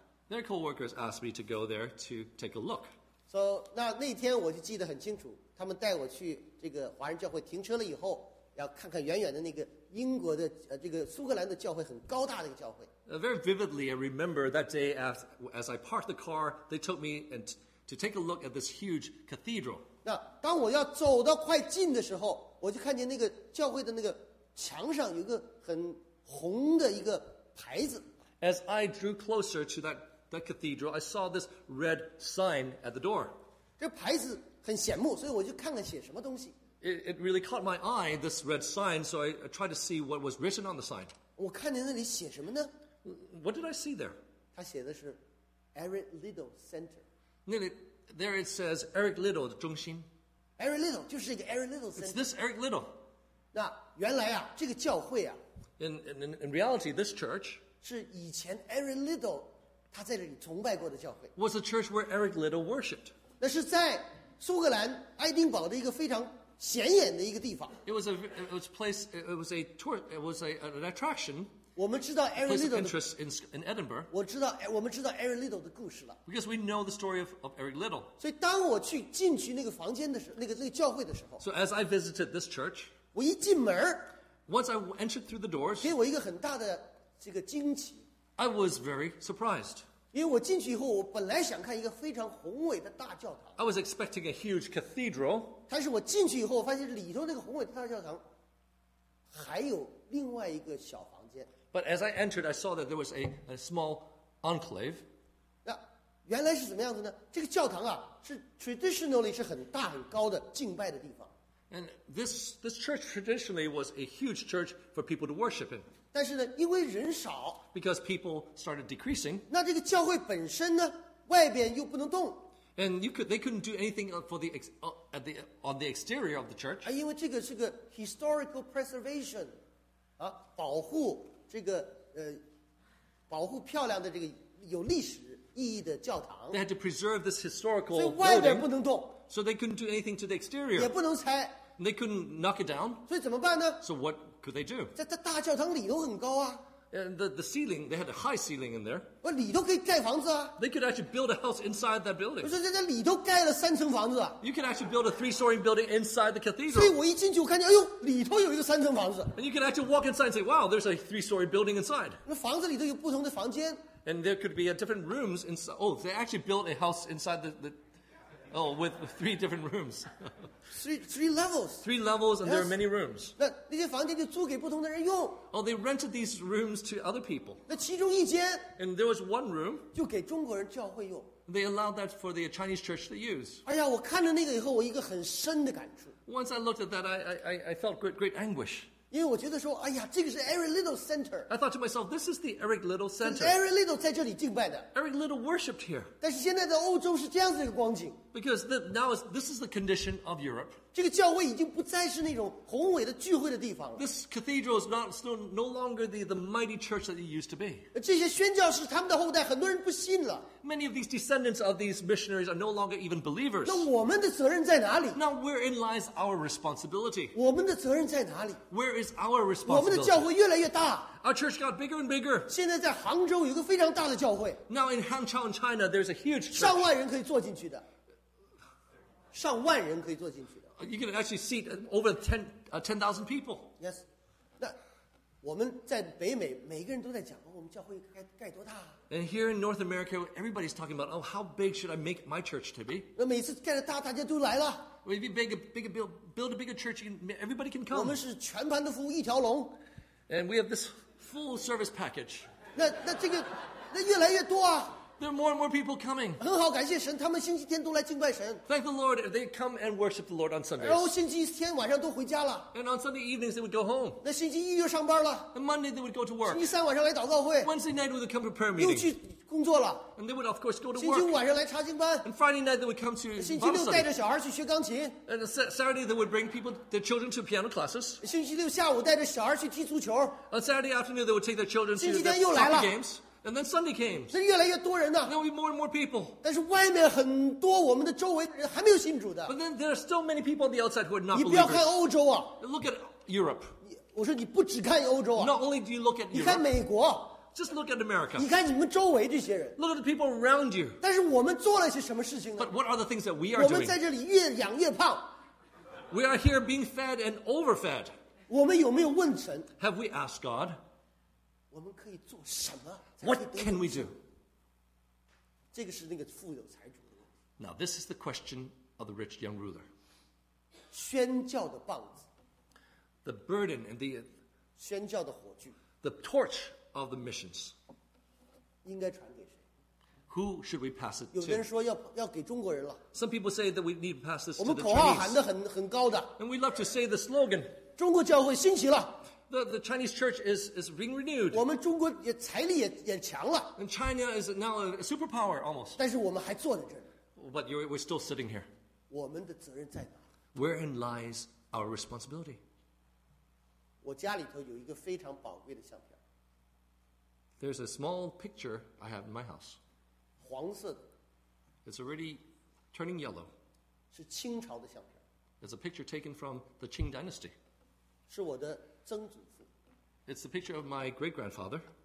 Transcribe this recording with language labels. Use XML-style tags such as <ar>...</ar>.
<en>Their co-workers asked me to go there to take a look.</en> <zh>So, 那天我就记得很清楚，他们带我去这个华人教会停车了以后，要看看远远的那个英国的这个苏格兰的教会，很高大的一个教会。</zh> <en>Very vividly, I remember that day as I parked the car, they took me and to take a look at this huge cathedral.</en> <zh>那当我要走到快进的时候，我就看见那个教会的那个墙上有个很红的一个牌子。</zh> <en>As I drew closer to that cathedral, I saw this red sign at the door.</en> <zh>这牌子很显目，所以我就看看写什么东西。</zh> <en>It really caught my eye, this red sign, so I tried to see what was written on the sign.</en> <zh>我看见那里写什么呢？</zh> <en>What did I see there?</en> <zh>它写的是 Eric Little Center.</zh> <en>There it says Eric Little</en> <zh>的中心。 Eric Little 就是一个 Eric Little Center.</zh> <en>It's this Eric Little.</en> <zh>那原来啊，这个教会啊。</zh> <en>In reality, this church</en> <zh>是以前 Eric Little他在这里崇拜过的教会。</zh> <en>Was a church where Eric Little worshipped.</en> <zh>那是在苏格兰爱丁堡的一个非常显眼的一个地方。</zh> <en>It was an attraction.</en> <zh>我们知道 Eric Little 的</zh> <en>interest in Edinburgh.</en> <zh>我们知道 Eric Little 的故事了。</zh> <en>Because we know the story of Eric Little.</en> <zh>所以当我去进去那个房间的时候，那个教会的时候。</zh> <en>So as I visited this church.</en> <zh>我一进门。</zh> <en>Once I entered through the doors.</en> <zh>给我一个很大的这个惊奇。</zh> <en>I was very surprised.</en> <zh>因为我进去以后，我本来想看一个非常宏伟的大教堂。</zh> <en>I was expecting a huge cathedral.</en> <zh>但是我进去以后，我发现里头那个宏伟的大教堂还有另外一个小房间。</zh> <en>But as I entered, I saw that there was a small enclave.</en> <zh>那原来是怎么样子呢？这个教堂啊，是</zh> <en>traditionally</en> <zh>是很大很高的敬拜的地方。</zh> <en>And this church traditionally was a huge church for people to worship in.</en> <zh>但是呢，因为人少。</zh> <en>Because people started decreasing.</en> <zh>那这个教会本身呢，外边又不能动。</zh> <en>And they couldn't do anything for the on the exterior of the church.</en> <zh>啊，因为这个是个</zh> <en>historical preservation,</en> <zh>啊，保护这个保护漂亮的这个有历史意义的教堂。</zh> <en>They had to preserve this historical building.</en> <zh>所以外边不能动。</zh> <en>So they couldn't do anything to the exterior.</en> <zh>也不能拆。</zh> <en>They couldn't knock it down.</en> <zh>所以怎么办呢？</zh> <en>So what could they do?</en> <zh>在大教堂里头很高啊。</zh> <en>And the ceiling, they had a high ceiling in there.</en> <zh>我里头可以盖房子啊。</zh> <en>They could actually build a house inside that building.</en> <zh>不是，在里头盖了三层房子啊。</zh> <en>You could actually build a three-story building inside the cathedral.</en> <zh>所以我一进去，我看见，哎呦，里头有一个三层房子。</zh> <en>And you could actually walk inside and say, "Wow, there's a three-story building inside."</en> <zh>那房子里头有不同的房间。</zh> <en>And there could be a different rooms inside. Oh, they actually built a house inside the oh, with three different rooms. three levels. Three levels, and there are many rooms.</en> <zh>那些房间就租给不同的人用。</zh> <en>Oh, they rented these rooms to other people.</en> <zh>那其中一间。</zh> <en>And there was one room.</en> <zh>就给中国人教会用。</zh> <en>They allowed that for the Chinese church to use.</en> <zh>哎呀，我看了那个以后，我一个很深的感触。</zh> <en>Once I looked at that, I felt great anguish.</en> <zh>因为我觉得说，哎呀，这个是 Eric Little Center。</zh> <en>I thought to myself, this is the Eric Little Center.</en> <zh>Eric Little 在这里敬拜的。</zh> <en>Eric Little worshipped here.</en> <zh>但是现在的欧洲是这样子一个光景。</zh> <en>Because this is the condition of Europe.</en> <zh>这个教会已经不再是那种宏伟的聚会的地方了。</zh> <en>This cathedral is no longer the mighty church that it used to be.</en> <zh>这些宣教士他们的后代很多人不信了。</zh> <en>Many of these descendants of these missionaries are no longer even believers.</en> <zh>那我们的责任在哪里？</zh> <en>Now wherein lies our responsibility?</en> <zh>我们的责任在哪里？</zh> <en>Where is our responsibility?</en> <zh>我们的教会越来越大。</zh> <en>Our church got bigger and bigger.</en> <zh>现在在杭州有一个非常大的教会。</zh> <en>Now in Hangzhou, China, there's a huge church.</en> <zh>上万人可以坐进去的。上万人可以坐进去的。</zh> <en>You can actually seat over 10,000 people. Yes.</en> <zh>那我们在北美，每个人都在讲，我们教会该多大。</zh> <en>And here in North America, everybody's talking about, oh, how big should I make my church to be?</en> <zh>那每次盖得大，大家都来了。</zh> <en>Well, if you build a bigger church, everybody can come.</en> <zh>我们是全盘的服务，一条龙。</zh> <en>And we have this full service package.</en> <zh>那这个，那越来越多啊。</zh> <en>There are more and more people coming.</en> <zh>很好，感谢神，他们星期天都来敬拜神。</zh> <en>Thank the Lord, they come and worship the Lord on Sundays.</en> <zh>然后星期天晚上都回家了。</zh> <en>And on Sunday evenings, they would go home.</en> <zh>那星期一就上班了。</zh> <en>And Monday, they would go to work.</en> <zh>星期三晚上来祷告会。</zh> <en>Wednesday night, they would come to prayer meeting.</en> <zh>又去工作了。</zh> <en>And they would, of course, go to work.</en> <zh>星期五晚上来查经班。</zh> <en>And Friday night, they would come to Bible study.</en> <zh>星期六带着小孩去学钢琴。</zh> <en>And Saturday, they would bring their children to piano classes.</en> <zh>星期六下午带着小孩去踢足球。</zh> <en>On Saturday afternoon, they would take their children to the soccer games. And then Sunday came.</en> <zh>所以越来越多人呢。</zh> <en>There will be more and more people.</en> <zh>但是外面很多我们的周围人还没有信主的。</zh> <en>But then there are still many people on the outside who are not believers.</en> <zh>你不要看欧洲啊。</zh> <en>Look at Europe.</en> <zh>我说你不只看欧洲啊。</zh> <en>Not only do you look at Europe.</en> <zh>你看美国。</zh> <en>Just look at America.</en> <zh>你看你们周围这些人。</zh> <en>Look at the people around you.</en> <zh>但是我们做了些什么事情呢？</zh> <en>But what are the things that we are doing?</en> <zh>我们在这里越养越胖。</zh> <en>We are here being fed and overfed.</en> <zh>我们有没有问神？</zh> <en>Have we asked God?</en> <zh>我们可以做什么？</zh> <en>What can we do?</en> <zh>这个是那个富有财主的。</zh> <en>Now this is the question of the rich young ruler.</en> <zh>宣教的棒子。</zh> <en>The burden and the</en> <zh>宣教的火炬。</zh> <en>The torch of the missions.</en> <zh>应该传给谁？</zh> <en>Who should we pass it to?</en> <zh>有的人说要给中国人了。</zh> <en>Some people say that we need to pass this to the Chinese.</en> <zh>我们口号喊得很高的。</zh> <en>And we love to say the slogan.</en> <zh>中国教会兴起了。</zh> <en>The Chinese church is being renewed.</en> <zh>我们中国也财力也强了。</zh> <en>And China is now a superpower almost.</en> <zh>但是我们还坐在这儿。</zh> <en>But we're still sitting here.</en> <zh>我们的责任在哪？</zh> <en>Wherein lies our responsibility?</en> <zh>我家里头有一个非常宝贵的相片。</zh> <en>There's a small picture I have in my house.</en> <zh>黄色的。</zh> <en>It's already turning yellow.</en> <zh>是清朝的相片。</zh> <en>It's a picture taken from the Qing dynasty.</en> <zh>是我的。曾祖父</zh> <en>It's the picture of my great-grandfather.</en>